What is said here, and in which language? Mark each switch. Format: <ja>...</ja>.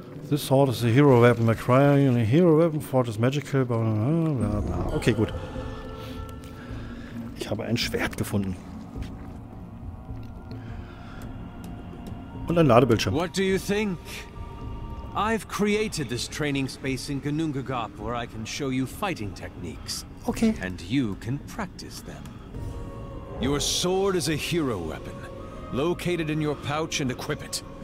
<en>This sword is a hero weapon. A crying and a hero weapon. Fort is magical. Okay, gut.</en> <de>Ich habe ein Schwert gefunden. Und ein Ladebildschirm.</de> <en>What do you think? I've created this training space in Ganungagap, where I can show you fighting techniques. Okay. And you can practice them. Your sword is a hero weapon. Locate it in your pouch and equip it.</en>